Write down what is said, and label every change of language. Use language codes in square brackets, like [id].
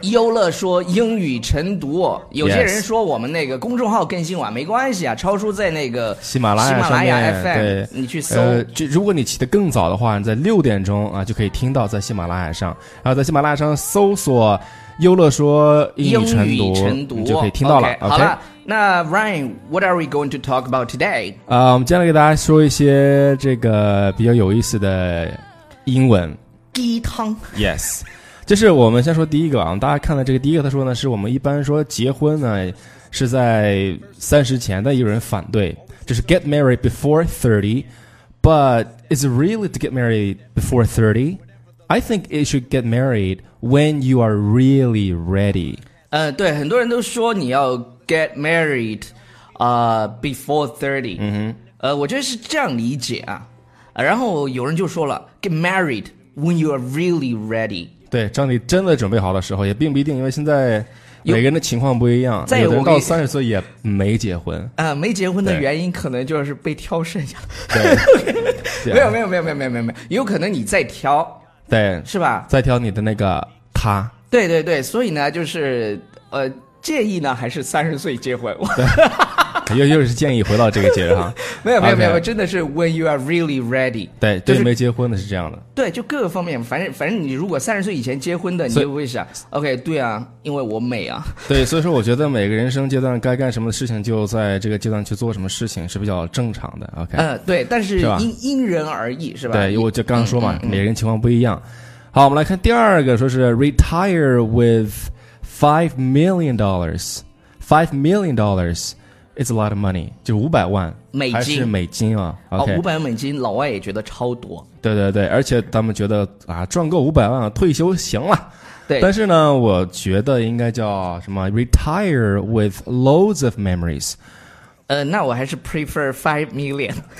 [zh] 优乐说英语晨读，有些人说我们那个公众号更新晚，没关系啊，超叔在那个喜马拉雅上面，喜马拉雅 FM，对，你去搜，如果你起得更早的话，在六点钟啊就可以听到，在喜马拉雅上，然后在喜马拉雅上搜索优乐说英语晨读，你就可以听到了。 [en] OK， [zh] 好了，那 [en] Ryan， what are we going to talk about today？ [zh] 我们接下来给大家说一些这个比较有意思的英文鸡汤。 Yes， 就是我们先说第一个啊，大家看到这个第一个，他说呢，是我们一般说结婚呢是在30前，但有人反对，就是 [en] get married before 30， [zh] but is it really to get married before 30？ [en] I think it should get married when you are really ready. [zh] 对，很多人都说你要 [en] get married before 30. [zh] 嗯哼。我觉得是这样理解啊。然后有人就说了 [en] get married when you are really ready. [zh] 对，当你真的准备好的时候，也并不一定，因为现在每个人的情况不一样，有的人到30岁也没结婚。没结婚的原因可能就是被挑剩下了。没有没有没有没有没有没有，有可能你在挑。对，是吧，再挑你的那个他。对对对，所以呢就是建议呢还是30岁结婚。对，又是建议回到这个节日哈。没有没有没有、 [en] okay、 [zh] 真的是 [en] when you are really ready。 [zh] 对，就是没结婚的是这样的。对，就各个方面，反正你如果30岁以前结婚的，你就会想 OK， 对啊，因为我美啊。对，所以说我觉得每个人生阶段该干什么事情就在这个阶段去做什么事情是比较正常的。 [en] OK、 [zh] 对，但是因人而异，是吧。对，我就刚刚说嘛、每个人情况不一样。好，我们来看第二个，说是 [en] retire with $5 million。 $5 million It's a lot of money， [zh] 就是500万美金，还是美金啊、okay、 500万美金，老外也觉得超多。对对对，而且他们觉得啊，赚够500万退休行了。对，但是呢我觉得应该叫什么 [en] retire with loads of memories。 [zh] 那我还是 [en] prefer $5 million。